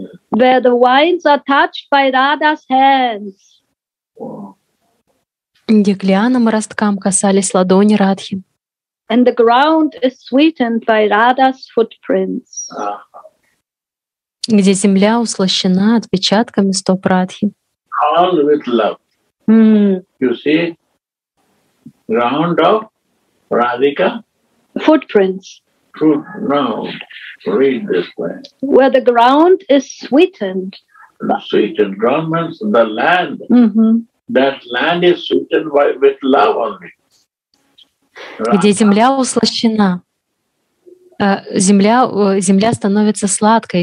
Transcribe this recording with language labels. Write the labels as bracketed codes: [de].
[en] Where the vines are touched by Radha's hands. [ru] Где к лианам и росткам касались ладони Радхи. [en] And the ground is sweetened by Radha's footprints. [ru] Где земля услащена отпечатками стоп Радхи. [en] All with love. You see? Ground of Radhika? Footprints. Ground. Read this way. Where the ground is sweetened. Sweetened. Ground means the land. Mm-hmm. That land is sweetened by with love only. [ru] где земля услащена. Земля становится сладкой.